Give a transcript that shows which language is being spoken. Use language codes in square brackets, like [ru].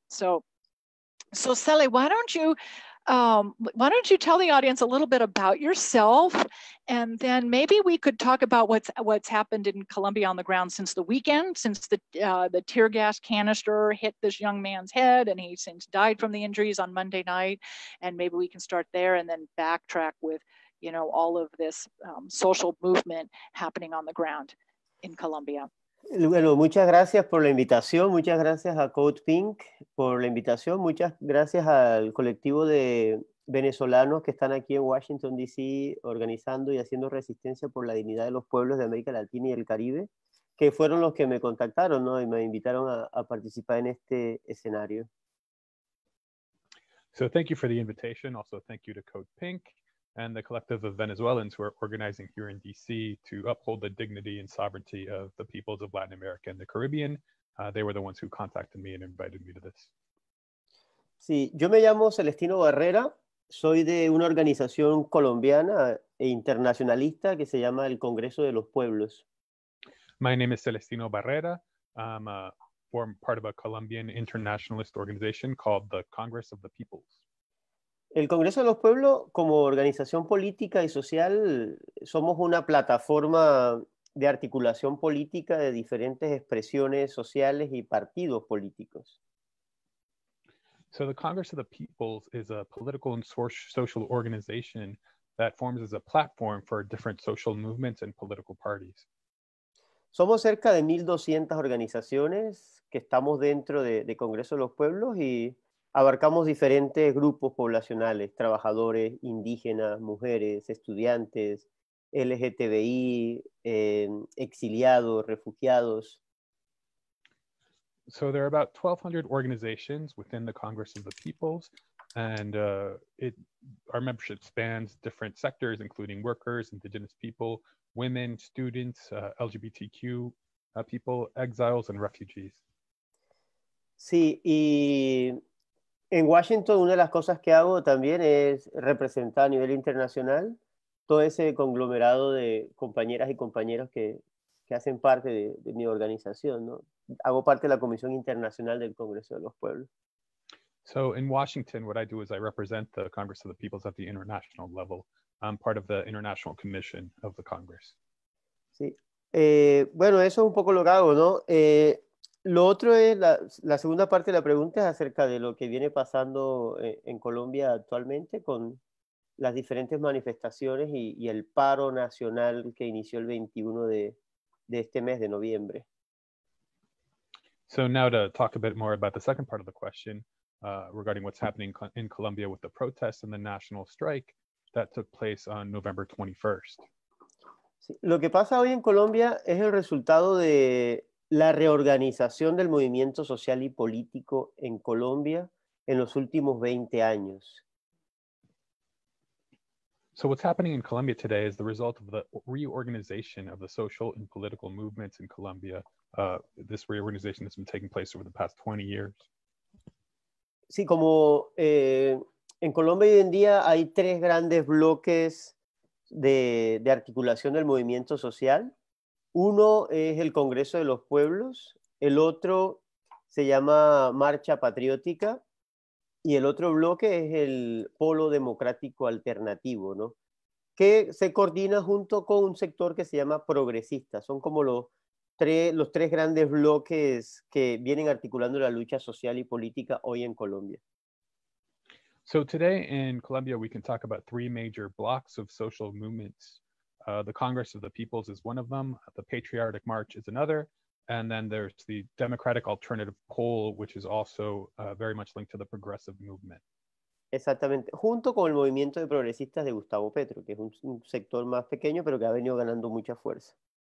[en] So Cele, why don't you tell the audience a little bit about yourself, and then maybe we could talk about what's happened in Colombia on the ground since the weekend, since the tear gas canister hit this young man's head and he since died from the injuries on Monday night. And maybe we can start there and then backtrack with, you know, all of this social movement happening on the ground in Colombia. [es] Bueno, muchas gracias por la invitación, muchas gracias a CODEPINK por la invitación, muchas gracias al colectivo de venezolanos que están aquí en Washington, D.C. organizando y haciendo resistencia por la dignidad de los pueblos de América Latina y el Caribe, que fueron los que me contactaron, ¿no? Y me invitaron a participar en este escenario. [en] So thank you for the invitation, also thank you to CODEPINK and the collective of Venezuelans who are organizing here in DC to uphold the dignity and sovereignty of the peoples of Latin America and the Caribbean. They were the ones who contacted me and invited me to this. [es] Sí, yo me llamo Celestino Barrera. Soy de una organización colombiana e internacionalista que se llama el Congreso de los Pueblos. [en] My name is Celestino Barrera. I'm a form part of a Colombian internationalist organization called the Congress of the Peoples. [es] El Congreso de los Pueblos, como organización política y social, somos una plataforma de articulación política de diferentes expresiones sociales y partidos políticos. [en] So the Congress of the Peoples is a political and social organization that forms as a platform for different social movements and political parties. [es] Somos cerca de 1,200 organizaciones que estamos dentro de Congreso de los Pueblos y abarcamos diferentes grupos poblacionales, trabajadores, indígenas, mujeres, estudiantes, LGTBI, exiliados, refugiados. [en] So there are about 1,200 organizations within the Congress of the Peoples, and our membership spans different sectors, including workers, indigenous people, women, students, LGBTQ people, exiles, and refugees. [es] Sí, y en Washington, una de las cosas que hago también es representar a nivel internacional todo ese conglomerado de compañeras y compañeros que hacen parte de mi organización, ¿no? Hago parte de la Comisión Internacional del Congreso de los Pueblos. [en] So in Washington, what I do is I represent the Congress of the Peoples at the international level. I'm part of the International Commission of the Congress. [es] Sí. Bueno, eso es un poco lo que hago, ¿no? Lo otro es, la segunda parte de la pregunta es acerca de lo que viene pasando en Colombia actualmente con las diferentes manifestaciones y el paro nacional que inició el 21 de este mes de noviembre. [en] So now to talk a bit more about the second part of the question regarding what's happening in Colombia with the protests and the national strike that took place on November 21st. [es] Sí. Lo que pasa hoy en Colombia es el resultado de la reorganización del movimiento social y político en Colombia en los últimos 20 años. [en] So what's happening in Colombia today is the result of the reorganization of the social and political movements in Colombia. This reorganization has been taking place over the past 20 years. [es] Sí, como en Colombia hoy en día hay tres grandes bloques de articulación del movimiento social. Uno es el Congreso de los Pueblos, el otro se llama Marcha Patriótica, y el otro bloque es el Polo Democrático Alternativo, ¿no? Que se coordina junto con un sector que se llama Progresista. Son como los tres grandes bloques que vienen articulando la lucha social y política hoy en Colombia. [en] So today in Colombia we can talk about three major blocks of social movements. The Congress of the Peoples is one of them, the Patriotic March is another, and then there's the Democratic Alternative Pole, which is also very much linked to the progressive movement. [es] Exactamente, junto con el movimiento de progresistas de Gustavo Petro, que es un sector más pequeño, pero que ha venido ganando mucha fuerza.